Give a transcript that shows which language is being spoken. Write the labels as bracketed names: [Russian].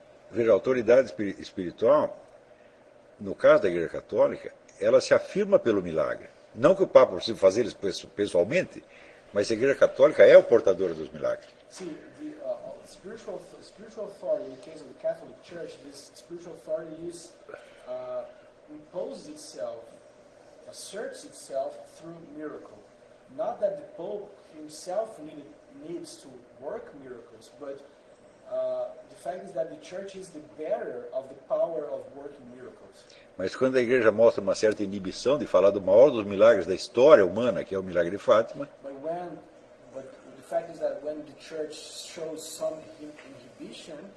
[Portuguese] Veja, a autoridade espiritual, no caso da Igreja Católica, ela se afirma pelo milagre. Não que o Papa precise fazer isso pessoalmente, mas a Igreja Católica é o portador dos milagres. [English] Sim, spiritual authority, in the case of the Catholic Church, this spiritual authority is imposed itself, asserts itself through miracle. Not that the Pope himself needs to work miracles, but the fact is that the church is the bearer of the power of working miracles. [Portuguese] Mas quando a Igreja mostra uma certa inibição de falar do maior dos milagres da história humana, que é o milagre de Fátima. [English] But the fact is that when the church shows some inhibition